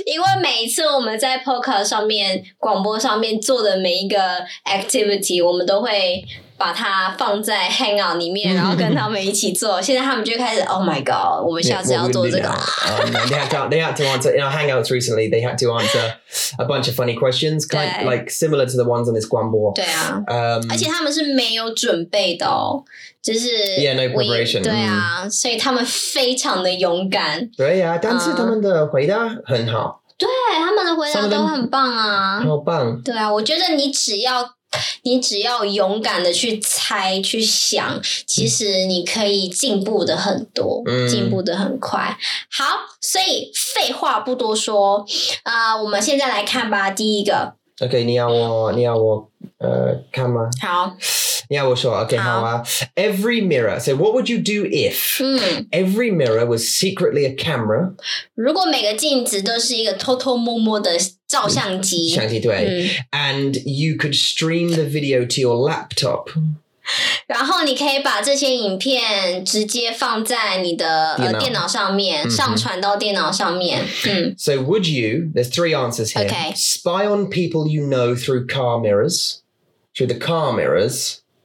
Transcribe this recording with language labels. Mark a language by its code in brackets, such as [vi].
[zh] 因为每一次我们在 podcast 上面、广播上面做的每一个 activity， 我们都会。把它放在 hangout 里面，然后跟他们一起做。现在他们就开始 ， [en] Oh my god， [zh] 我们下次要做这个。 [en] They had to answer in our hangouts recently. They had to answer a bunch of funny questions, kind of like similar to the ones on this 广播。 [zh] 对啊，而且他们是没有准备的哦，就是 [en] yeah no preparation。 [zh] 对啊，所以他们非常的勇敢。对啊，但是他们的回答很好。对，他们的回答都很棒啊，好棒。对啊，我觉得你只要勇敢的去猜去想，其实你可以进步的很多，进步的很快。好，所以废话不多说，我们现在来看吧。第一个，OK， 你要我看吗？好，你要我说 ，OK， 好啊。 [en] Every mirror. So, what would you do if every mirror was secretly a camera? [zh] 如果每个镜子都是一个偷偷摸摸的。照相机，相机对、 [en] and you could stream the video to your laptop. [zh] 然后你可以把这些影片直接放在你的电脑上面，上传到电脑上面。 [en] So would you? There's three answers here. Okay. Spy on people you know through car mirrors, through the car mirrors.